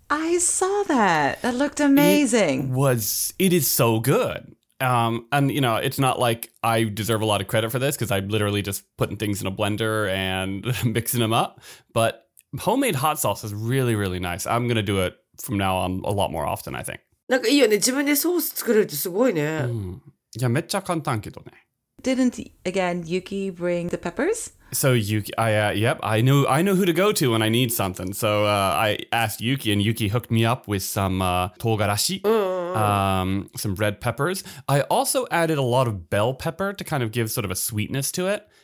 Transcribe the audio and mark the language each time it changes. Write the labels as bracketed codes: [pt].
[en] I saw that. That looked amazing. It is so good. And, you know, it's not like I deserve a lot of credit for this because I'm literally just putting things in a blender and mixing them up. But homemade hot sauce is really, really nice. I'm going to do it from now on a lot more often, I think. [ja] なんかいいよね。自分でソース作れるってすごいね。いや、めっちゃ簡単けどね。 [en] Didn't, again, Yuki bring the peppers? So Yuki, I know who to go to when I need something. So I asked Yuki and Yuki hooked me up with some togarashi, some red peppers. I also added a lot of bell pepper to kind of give sort of a sweetness to it.